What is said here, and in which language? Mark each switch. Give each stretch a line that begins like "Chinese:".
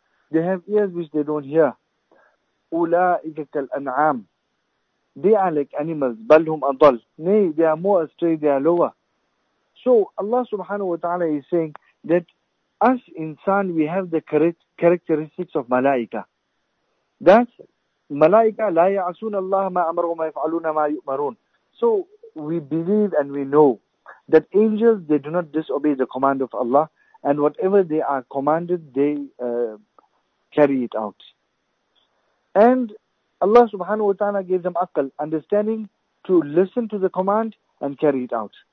English: They have ears which they don't hear.
Arabic: أُولَٰئِكَ كَالْأَنْعَامِ.
English: They are like animals.
Arabic: بَلْ هُمْ أَضَلْ.
English: Nay, they are more astray, they are lower. So Allah subhanahu wa ta'ala is saying that us insan, we have the characteristics of malaika. That malaika
Arabic: لَا يَعْصُونَ اللَّهَ مَا أَمَرُوا مَا يَفْعَلُونَ مَا يُؤْمَرُونَ.
English: So we believe and we know that angels, they do not disobey the command of Allah, and whatever they are commanded, they carry it out. And Allah subhanahu wa ta'ala gave them aql, understanding, to listen to the command and carry it out.